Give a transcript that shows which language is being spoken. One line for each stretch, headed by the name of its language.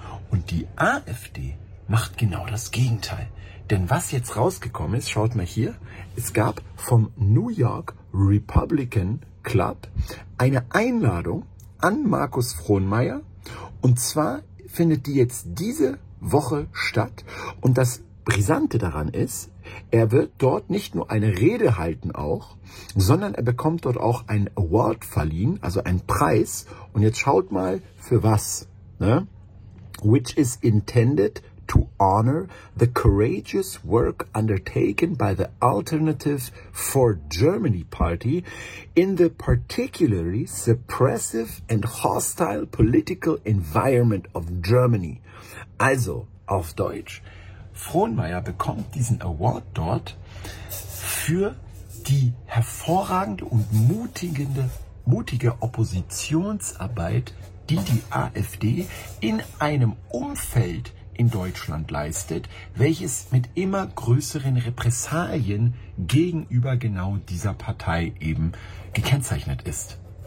German: Und die AfD macht genau das Gegenteil. Denn was jetzt rausgekommen ist, schaut mal hier, es gab vom New York Republican Club eine Einladung an Markus Frohnmeier, und zwar findet die jetzt diese Woche statt. Und das Brisante daran ist, er wird dort nicht nur eine Rede halten auch, sondern er bekommt dort auch einen Award verliehen, also einen Preis. Und jetzt schaut mal, für was. Ne?
English: Which is intended to honor the courageous work undertaken by the Alternative for Germany Party in the particularly suppressive and hostile political environment of Germany.
German: Also auf Deutsch, Frohnmeier bekommt diesen Award dort für die hervorragende und mutige Oppositionsarbeit, die AfD in einem Umfeld in Deutschland leistet, welches mit immer größeren Repressalien gegenüber genau dieser Partei eben gekennzeichnet ist.